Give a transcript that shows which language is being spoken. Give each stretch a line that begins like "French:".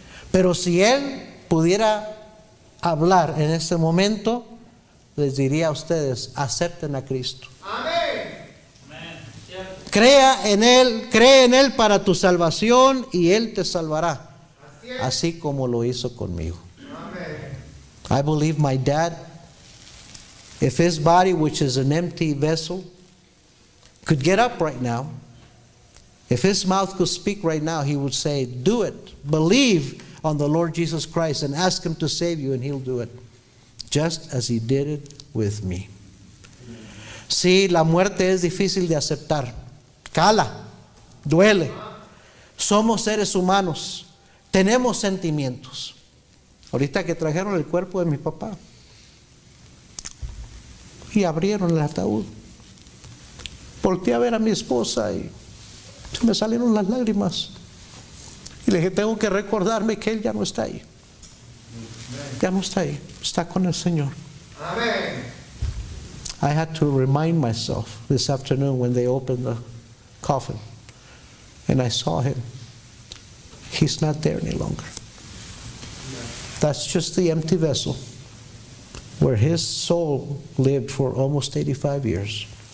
Spanish: Pero si él pudiera hablar en este momento, les diría a ustedes, acepten a Cristo. Crea en Él, cree en Él para tu salvación y Él te salvará. Así como lo hizo conmigo.
English: Amen. I believe my dad, if his body, which is an empty vessel, could get up right now, if his mouth could speak right now, he would say, do it. Believe on the Lord Jesus Christ and ask Him to save you and He'll do it. Just as He did it with me.
Spanish: Sí, la muerte es difícil de aceptar. Cala, duele. Somos seres humanos, tenemos sentimientos. Ahorita que trajeron el cuerpo de mi papá y abrieron el ataúd, volteé a ver a mi esposa y me salieron las lágrimas. Y le dije, tengo que recordarme que él ya no está ahí. Ya no está ahí, está con el Señor.
English: Amén. I had to remind myself this afternoon when they opened the coffin and I saw him. He's not there any longer. That's just the empty vessel where his soul lived for almost 85 years.